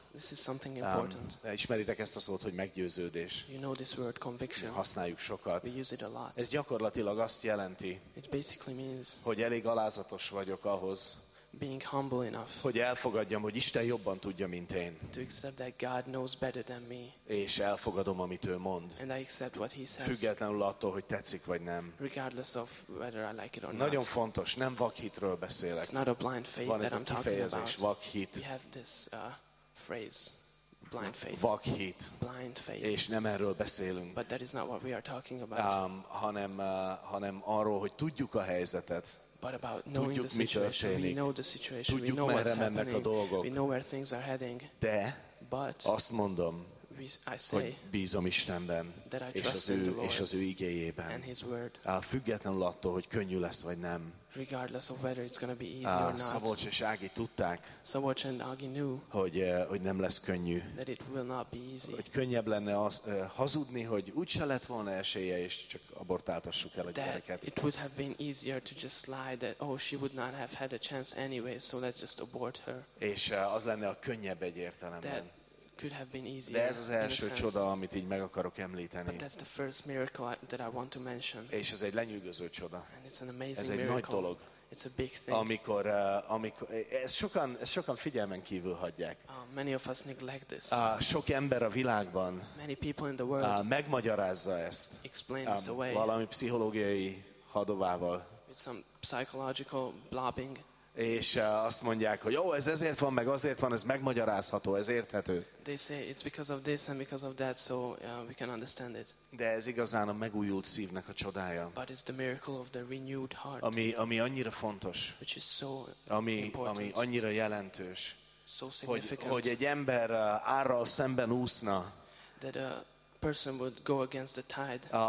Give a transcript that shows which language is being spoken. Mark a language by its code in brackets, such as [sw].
[en] This is something important. [hu] Ismeritek ezt a szót, hogy meggyőződés. [en] You know this word, conviction. [hu] Használjuk sokat. [en] We use it a lot. [hu] Ez gyakorlatilag azt jelenti, [en] it basically means, [hu] hogy elég alázatos vagyok ahhoz, [en] being humble enough. [hu] Hogy elfogadjam, hogy Isten jobban tudja, mint én. [en] To accept that God knows better than me. [hu] És elfogadom, amit ő mond. [en] And I accept what he says. [hu] Függetlenül attól, hogy tetszik vagy nem. [en] Regardless of whether I like it or not. [hu] Nagyon fontos, nem vakhitről beszélek. [en] It's not a blind faith [hu] van [en] that I'm talking about. [hu] Vakhit. [en] We have this phrase, blind faith. [hu] Vakhit. [en] Blind faith. [hu] És nem erről beszélünk. [en] But that is not what we are talking about. [hu] Hanem arról, hogy tudjuk a helyzetet. [en] But about knowing the situation, we know the situation, we know what's happening, [hu] a dolgok, [en] we know where things are heading. [hu] De, [en] but [hu] azt mondom, [en] we, I say [hu] hogy bízom Istenben, [en] that I [hu] és [en] trust [hu] az ő, [en] in the Lord [hu] és az ő igéjében, [en] and his word. [hu] Függetlenül attól, hogy könnyű lesz vagy nem. [en] Regardless of whether it's going to be easy or not. [hu] Szabolcs és Ági tudták, [en] Szabolcs and Ági knew, [hu] hogy nem lesz könnyű. [en] That it will not be easy. [hu] Hogy könnyebb lenne hazudni, hogy úgyse lett volna esélye, és csak abortáltassuk el a gyereket. [en] It would have been easier to just lie that, oh, she would not have had a chance anyway, so let's just abort her. [hu] És az lenne a könnyebb egy értelemben. [en] Could have been easier. [hu] De ez az első csoda, amit így meg akarok említeni. [en] But that's the first miracle that I want to mention. [hu] És ez egy lenyűgöző csoda. [en] And it's an amazing miracle. [hu] Ez egy nagy dolog. [en] It's a big thing. [hu] Amikor ez sokan figyelmen kívül hagyják. [en] Many of us neglect this. [hu] Sok ember a világban. [en] Many people in the world. [hu] Megmagyarázza ezt. [en] Explain this away. [hu] Valami pszichológiai hadovával. [en] With some psychological blobbing. [hu] És azt mondják, hogy jó, ez ezért van, meg azért van, ez megmagyarázható, ez érthető. [en] They say it's because of this and because of that, so we can understand it. [hu] De ez igazán a megújult szívnek a csodája. [en] But it's the miracle of the renewed heart. [hu] Ami annyira fontos. [en] Which is so important. [hu] Ami annyira jelentős. [en] So significant. [hu] Hogy egy ember árral szemben úszna. [en] That a person would go against the tide.